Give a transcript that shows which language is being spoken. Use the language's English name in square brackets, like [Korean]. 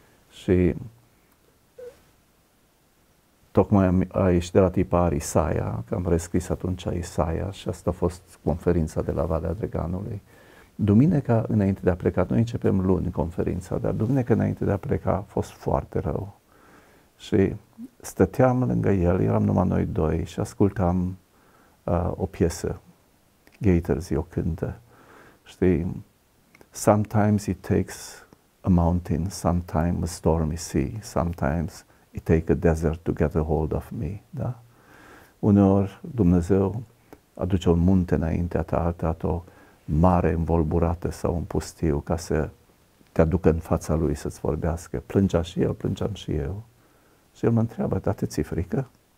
[Romanian] Și tocmai a ieșit de la tipar Isaia, că am rescris atunci Isaia și asta a fost conferința de la Valea Drăganului. Duminica înainte de a pleca, noi începem luni conferința, dar duminica înainte de a pleca a fost foarte rău. Și stăteam lângă el, eram numai noi doi și ascultam o piesă, Gaiters, o cântă. [English] Știi, sometimes it takes a mountain, sometimes a stormy sea, sometimes it takes a desert to get a hold of me. [Romanian] Da? Uneori Dumnezeu aduce un munte înaintea ta, altă o mare învolburată sau un pustiu ca să te aducă în fața lui să-ți vorbească. Plângea și el, plângeam și eu. Și el mă întreabă, dar te ți-e frică?